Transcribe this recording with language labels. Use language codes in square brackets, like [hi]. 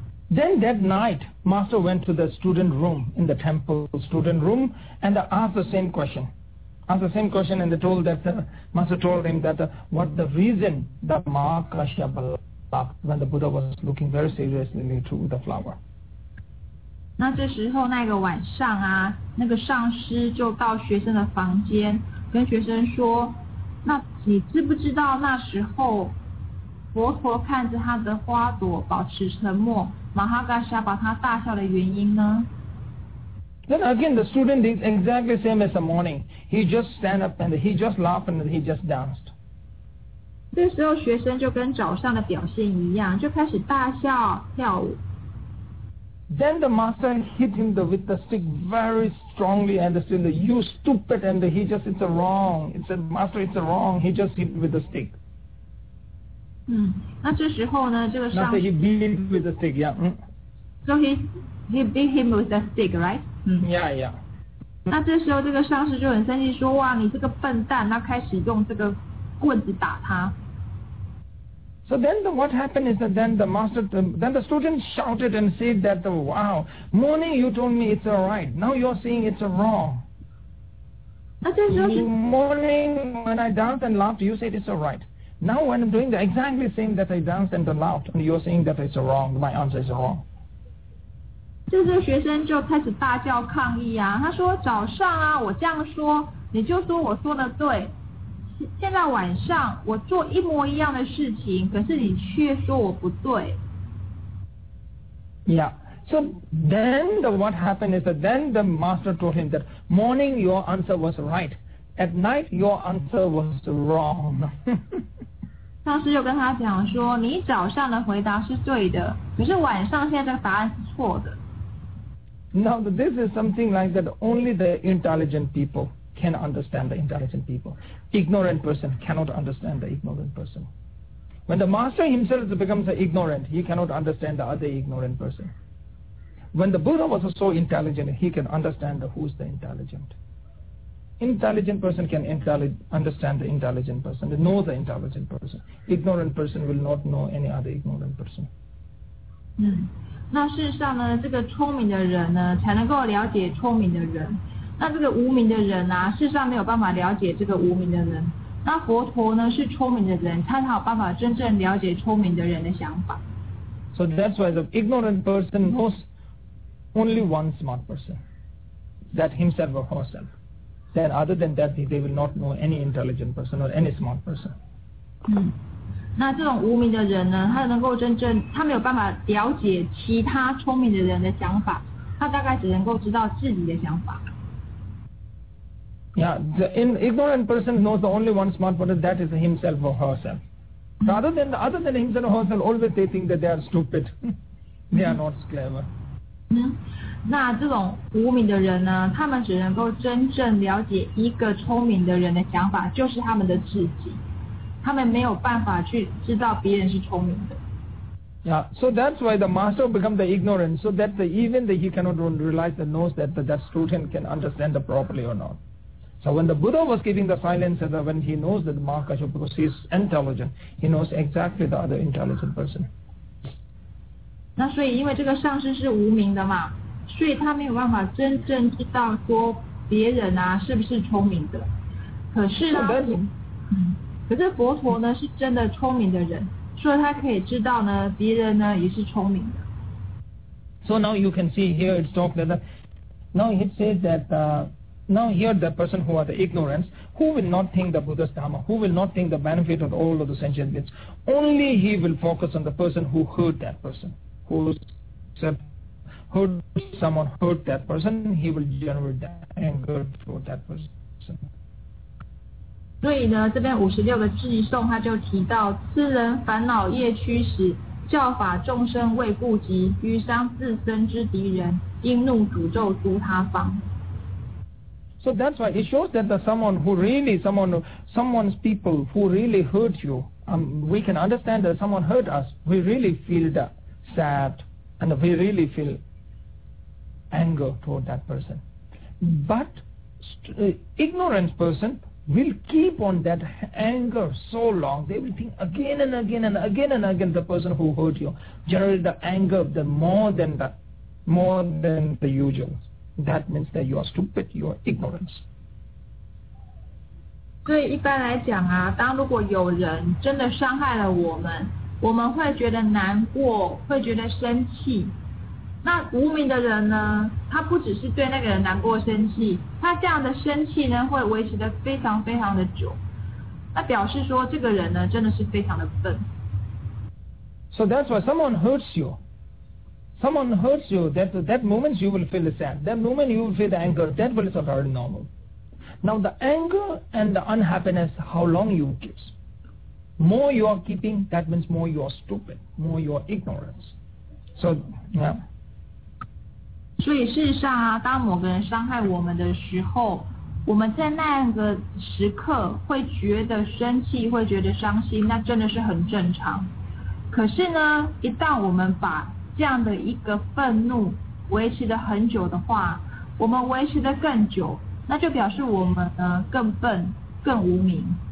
[en] Then that night, master went to the student room in the temple student room and asked the same question. And they told that the master told him that what the reason that Mahakashyapa laughed when the Buddha was looking very seriously into the flower. [zh] 那这时候那个晚上啊，那个上师就到学生的房间，跟学生说，那你知不知道那时候？佛陀看着他的花朵保持沉默，马哈嘎沙把他大笑的原因呢？ [en] Then again, the student did exactly the same as the morning. He just stand up and he just laughed and he just danced. [zh] 这时候学生就跟早上的表现一样，就开始大笑跳舞。 [en] Then the master hit him with the stick very strongly and said, "You stupid!" And he just it's wrong. He said, "Master, it's wrong." He just hit with the stick. [zh] 那这时候呢，这个上。 [en] Master, he beat him with the stick. Yeah. So he beat him with the stick, right? Yeah. [zh] 那这时候这个上司就很生气，说：“哇，你这个笨蛋！” 那开始用这个棍子打他。 [en] So then what happened is that the student shouted and said that, wow, morning you told me it's alright, now you're saying it's wrong. Morning when I danced and laughed, you said it's alright. Now when I'm doing the exactly same that I danced and laughed, and you're saying that it's wrong, my answer is wrong. [zh] 这时候学生就开始大叫抗议啊，他说早上啊，我这样说，你就说我说的对。现在晚上我做一模一样的事情，可是你却说我不对。 [en] Yeah. So then what happened is that then the master told him that morning your answer was right, at night your answer was wrong. [zh] 上司就跟他讲说，你早上的回答是对的，可是晚上现在这个答案是错的。 [en] Now this is something like that only the intelligent people. Can understand the intelligent people. Ignorant person cannot understand the ignorant person. When the master himself becomes ignorant, he cannot understand the other ignorant person. When the Buddha was so intelligent, he can understand who is the intelligent. Intelligent person can understand the intelligent person, know the intelligent person. Ignorant person will not know any other ignorant person. [zh] 那事实上呢，这个聪明的人呢，才能够了解聪明的人。那这个无名的人啊，事实上没有办法了解这个无名的人。那佛陀呢，是聪明的人，他才有办法真正了解聪明的人的想法。 [en] So that's why the ignorant person knows only one smart person, that himself or herself. Then other than that, they will not know any intelligent person or any smart person. [zh] 那这种无名的人呢，他能够真正，他没有办法了解其他聪明的人的想法，他大概只能够知道自己的想法。 [en] Yeah, the ignorant person knows the only one smart person, that is himself or herself. Rather than himself or herself, always they think that they are stupid. They are not clever. [zh] 那这种无名的人呢，他们只能够真正了解一个聪明的人的想法，就是他们的自己。他们没有办法去知道别人是聪明的。 [en] Yeah, so that's why the master becomes the ignorant, so that he cannot realize the knows that that student can understand the properly or not. So when the Buddha was keeping the silence, when he knows that Mahakashyapa, because he is intelligent, he knows exactly the other intelligent person. [zh] 那所以因为这个上师是无名的嘛，所以他没有办法真正知道说别人啊是不是聪明的。可是呢，可是佛陀呢是真的聪明的人，所以他可以知道呢别人呢也是聪明的。 [en] So now you can see here it's talking that now it says that. Now here the person who are the ignorant, who will not think the Buddha's Dharma, who will not think the benefit of all of the sentient beings, only he will focus on the person who hurt that person, who hurt someone, hurt that person, he will generate that anger for that person. [zh] 所以呢，这边五十六个偈颂他就提到，痴人烦恼业驱使，教法众生未顾及，于伤自身之敌人，应怒诅咒诸他方。 [en] So that's why it shows that someone's people who really hurt you, we can understand that someone hurt us, we really feel sad and we really feel anger toward that person. But ignorant person will keep on that anger so long, they will think again and again and again and again the person who hurt you, generate the anger more than the usual. That means that you are stupid, you are ignorant. [zh] 所以一般来讲啊，当如果有人真的伤害了我们，我们会觉得难过，会觉得生气。那无名的人呢，他不只是对那个人难过生气，他这样的生气呢，会维持得非常非常的久。那表示说这个人呢，真的是非常的笨。 [en] So that's why someone hurts you. Someone hurts you, that moment you will feel sad. That moment you will feel the anger. That will sort of normal. Now the anger and the unhappiness, how long you keep. More you are keeping, that means more you are stupid. More you are ignorant. So, yeah. [zh] 所以事实上啊，当某个人伤害我们的时候，我们在那个时刻会觉得生气，会觉得伤心，那真的是很正常。可是呢，一旦我们把这样的一个愤怒维持得很久的话，我们维持得更久，那就表示我们呢更笨，更无明。